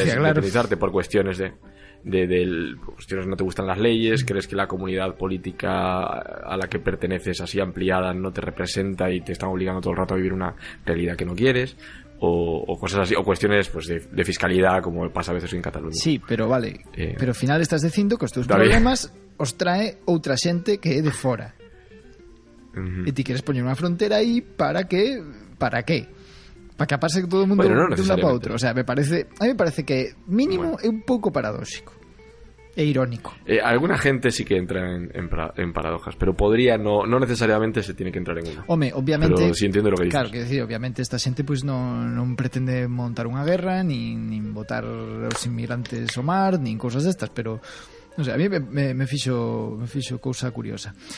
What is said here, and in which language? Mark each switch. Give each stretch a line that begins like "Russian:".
Spanish: Entonces tú puedes independizarte por cuestiones de no te gustan las leyes, crees que la comunidad política a la que perteneces así ampliada no te representa y te están obligando todo el rato a vivir una realidad que no quieres, o cosas así, o cuestiones pues de fiscalidad, como pasa a veces en Cataluña. Sí, pero vale, pero al final estás diciendo que os tus problemas os trae
Galician: outra xente que é de fora. E ti queres poñer unha frontera aí para que para que pase todo o mundo,
Spanish: bueno, no, de un lado para outro. O sea, a mí me parece que mínimo
Galician: é un pouco paradóxico e irónico.
Spanish: Alguna gente sí que entra en paradojas, pero podría no necesariamente se tiene que entrar en una.
Galician: Home, obviamente,
Spanish: pero sí entiendo lo que dices.
Galician: Claro, que decir, obviamente esta xente pues non pretende montar unha guerra nin botar os inmigrantes ao mar nin cousas destas, pero
Spanish: no sé, a mí
Galician: me fixo cousa curiosa.